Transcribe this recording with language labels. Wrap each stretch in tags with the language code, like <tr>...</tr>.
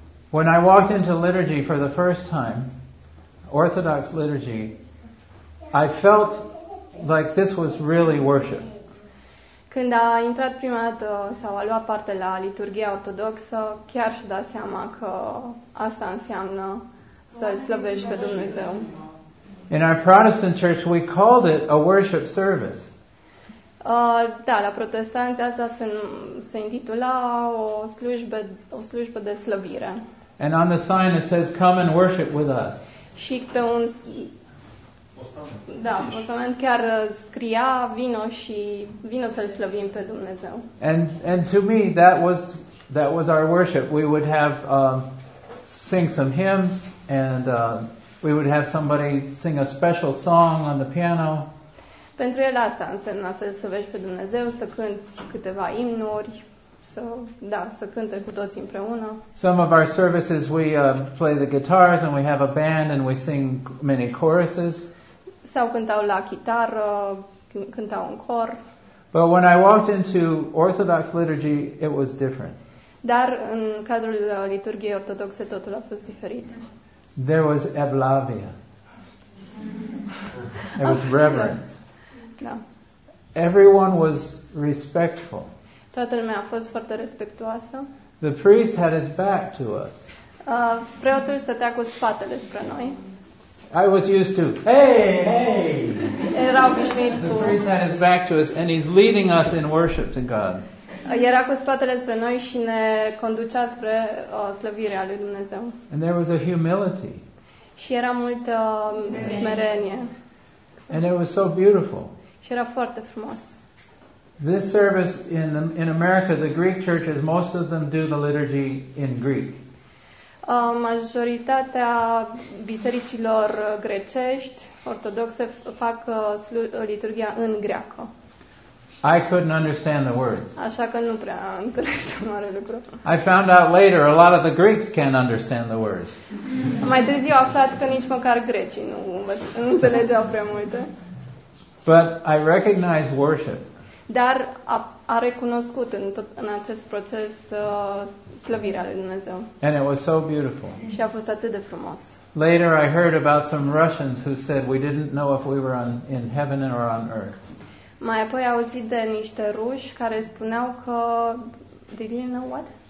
<en>When I walked into liturgy for the first time, Orthodox liturgy, I felt like this was really worship.</en> <ro>Când a intrat prima dată sau a luat parte la liturghia ortodoxă, chiar și-a dat seama că asta înseamnă să-L slăvești pe Dumnezeu.</ro> <en>In our Protestant church, we called it a worship service.</en> <ro>Da, la protestanți asta se intitula o slujbă de slăvire.</ro> <en>And on the sign it says, "Come and worship with us."</en> <ro>Și pe un postament chiar scria, vino să-L slăvim pe Dumnezeu.</ro> <en>And to me, that was our worship. We would have sing some hymns and we would have somebody sing a special song on the piano.</en> <ro>Pentru el asta înseamnă să slăvești pe Dumnezeu, să cânți câteva imnuri, să cânte cu toți împreună.</ro> <en>Some of our services we play the guitars and we have a band and we sing many choruses.</en> <ro>Sau cântau la chitară, cântau în cor.</ro> <en>But when I walked into Orthodox liturgy, it was different.</en> <ro>Dar în cadrul liturghiei ortodoxe totul a fost diferit.</ro> <en>There was Evlavia. There was reverence.</en> <ro>Da.</ro> <en>Everyone was respectful.</en> <ro>Toată lumea a fost foarte respectuoasă.</ro> <en>The priest had his back to us.</en> <ro>Preotul stătea cu spatele spre noi.</ro> <en>I was used to, hey!</en> <ro>Era obișnuit cu...</ro> <en>The priest had his back to us and he's leading us in worship to God.</en> <ro>Era cu spatele spre noi și ne conducea spre slăvirea lui Dumnezeu.</ro> <en>And there was a humility.</en> <ro>Și era multă smerenie.</ro> <en>And it was so beautiful.</en> <ro>Și era foarte frumos.</ro> <en>This service in America, the Greek churches, most of them do the liturgy in Greek.</en> <ro>Majoritatea bisericilor grecești ortodoxe fac liturgia în greacă.</ro> <en>I couldn't understand the words.</en> <ro>Așa că nu prea înțelegeam mare lucru.</ro> <en>I found out later a lot of the Greeks can't understand the words.</en> <ro>Mai târziu aflat că nici măcar grecii nu înțelegeau prea multe.</ro> <en>But I recognize worship.</en> <ro>Dar a recunoscut în acest proces slăvirea lui Dumnezeu.</ro> <en>And it was so beautiful.</en> <ro>Și a fost atât de frumos.</ro> <en>Later I heard about some Russians who said we didn't know if we were in heaven or on earth.</en> <ro>Mai apoi auzit de niște ruși care spuneau că</ro> <en>did you know what?</en>